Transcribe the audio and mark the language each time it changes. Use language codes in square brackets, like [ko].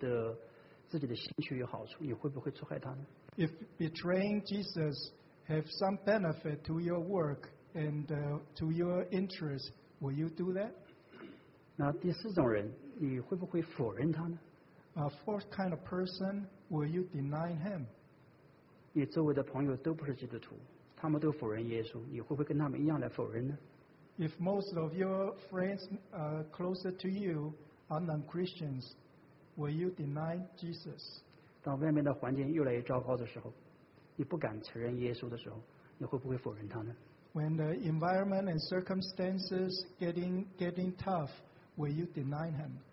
[zh] 出卖他对你的工作有好处，对你的自己的兴趣有好处，你会不会出卖他呢？ [en] If betraying Jesus has some benefit to your work and to your interest, will you do that? [zh] 那第四种人，你会不会否认他呢？ [en] A fourth kind of person, will you deny him? [zh] 你周围的朋友都不是基督徒，他们都否认耶稣，你会不会跟他们一样来否认呢？ [en] If most of your friends closer to you are non-Christians, will you deny Jesus? [zh] 当外面的环境越来越糟糕的时候，你不敢承认耶稣的时候，你会不会否认他呢？ [en] When the environment and circumstances getting tough, will you deny him?